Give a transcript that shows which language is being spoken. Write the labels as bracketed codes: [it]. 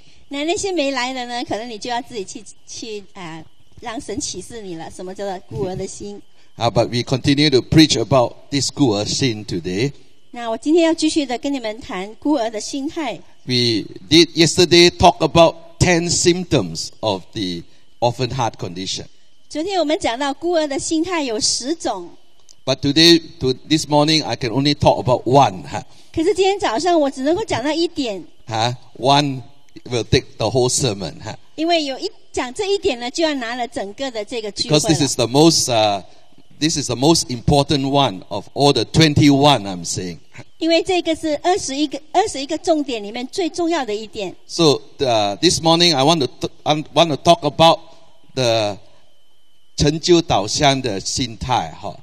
[zh] 那些没来的呢，可能你就要自己去让神启示你了，什么叫做孤儿的心。 [en] But we continue to preach about this [zh] 孤儿心 [en] today. [zh] 那我今天要继续的跟你们谈孤儿的心态。 [en] We did yesterday talk about 10 symptoms of the orphan heart condition. [zh] 昨天我们讲到孤儿的心态有10种。 [en] But today, to this morning, I can only talk about one. [zh] 可是今天早上我只能够讲到一点。 [en] One will take the whole sermon. [zh] 因为有一讲这一点呢，就要拿了整个的这个聚会了。 [en] Because this is the most This is the most important one of all the 21 I'm saying. [zh] 因为这个是21个重点里面最重要的一点。 [en] So this morning I want to talk about the [zh] 成就导向的心态。